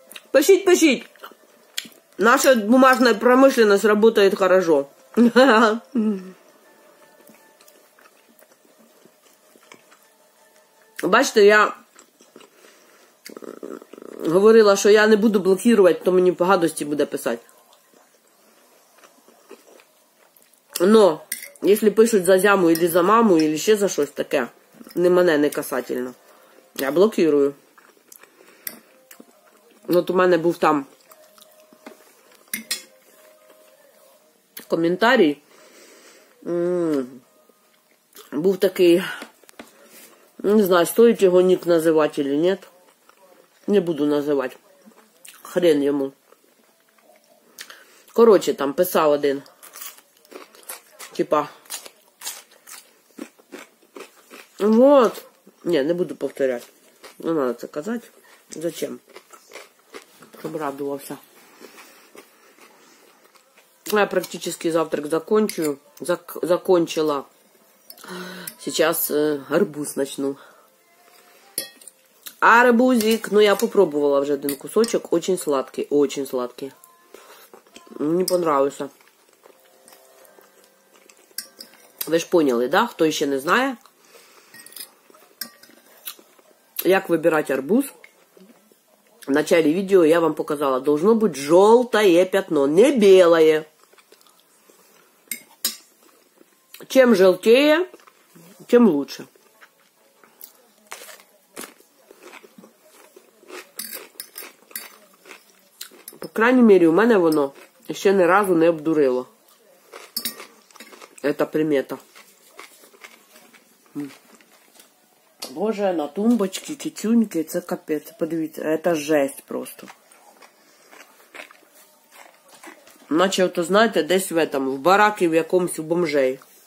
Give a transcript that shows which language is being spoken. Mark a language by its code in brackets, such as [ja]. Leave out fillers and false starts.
[uk] Пишіть. Наша бумажна промисловість працює хорошо. Бачите, я говорила, що я не буду блокувати, то мені погадості буде писати. [ru] Но, если пишут за зяму или за маму, или еще за что-то такое, не мене не касательно, я блокирую. Вот у меня был там комментарий. [uk] Був такий, не знаю, [ru] стоит его ник называть или нет. Не буду называть. Хрен ему. Короче, там писал один. Типа, вот, не буду повторять, ну надо [uk] це казати, [ru] зачем, щоб радувався. Я практически завтрак закончила, сейчас арбуз начну. Арбузик, ну я попробовала вже один кусочок, очень сладкий, [uk] мені понравився. Ви ж поняли, да? Хто ще не знає, як вибирати арбуз. В початку відео я вам показала, должно бути жовте п'ятно, не біле. Чим жовтіє, тим краще. По крайній мірі, у мене воно ще ні разу не обдурило. Це примета. Боже, на тумбочці тютюньки, це капець. Подивіться, це жесть просто. Наче, то знаєте, десь [ru] в этом, [uk] в бараки в якомусь у бомжей.